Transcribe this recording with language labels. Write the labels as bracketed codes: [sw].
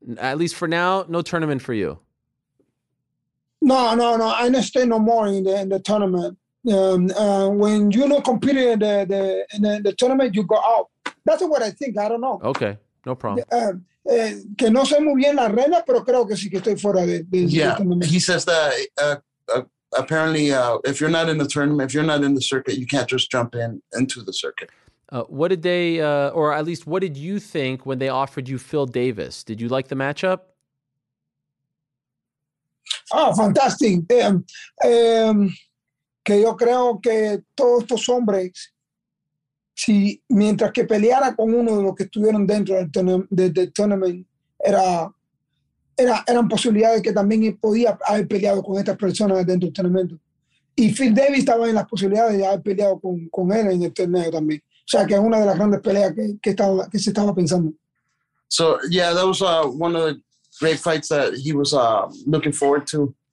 [en] At least for now, no tournament for you. No. I don't stay no more in the tournament. When you don't compete in the tournament, you go out. That's what I think. I don't know. Okay, no problem. [es] Que no sé muy bien las reglas, pero creo que sí que estoy fuera de tournament. [en] Yeah, he says that apparently, if you're not in the tournament, if you're not in the circuit, you can't just jump into the circuit. What did they, or at least what did you think when they offered you Phil Davis? Did you like the matchup? Oh, fantastic. [es] Que yo creo que todos estos hombres, si mientras que peleara con uno de los que estuvieron dentro del tournament, eran posibilidades que también podía haber peleado con estas personas dentro del tournament. Y Phil Davis estaba en las posibilidades de haber peleado con él en el torneo también. O sea, que es una de las grandes peleas que se estaba pensando. [en] So, yeah, that was one of the great fights that he was looking forward to.